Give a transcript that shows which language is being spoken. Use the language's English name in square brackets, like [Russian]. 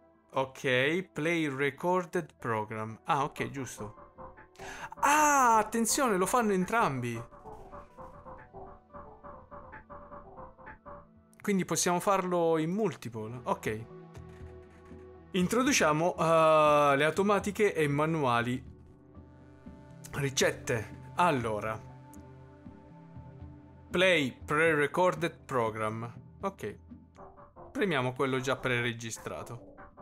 [English] Ok, play recorded program. [Italian] Ah, ok, giusto. Ah, attenzione, lo fanno entrambi. Quindi possiamo farlo in multiple. Ok. Introduciamo le automatiche e i manuali. Ricette. [English] Allora, play pre-recorded program. [Italian] Ok, premiamo quello già pre-registrato.